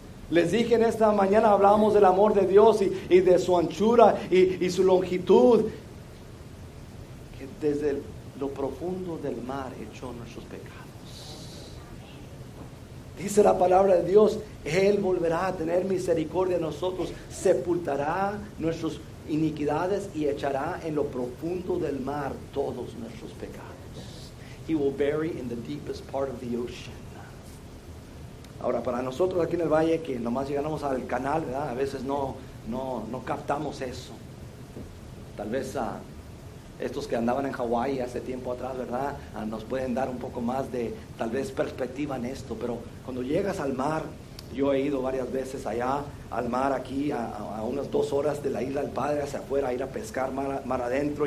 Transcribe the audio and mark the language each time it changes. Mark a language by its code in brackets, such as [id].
[es] Les dije en esta mañana, hablamos del amor de Dios y de su anchura y su longitud, que desde lo profundo del mar echó nuestros pecados. Dice la palabra de Dios, Él volverá a tener misericordia de nosotros, sepultará nuestras iniquidades y echará en lo profundo del mar todos nuestros pecados. [en] He will bury in the deepest part of the ocean. [es] Ahora, para nosotros aquí en el valle, que nomás llegamos al canal, ¿verdad? A veces no captamos eso. Tal vez estos que andaban en Hawái hace tiempo atrás, ¿verdad? Nos pueden dar un poco más de, tal vez, perspectiva en esto. Pero cuando llegas al mar, yo he ido varias veces allá al mar aquí, a unas 2 horas de la Isla del Padre hacia afuera, a ir a pescar mar adentro.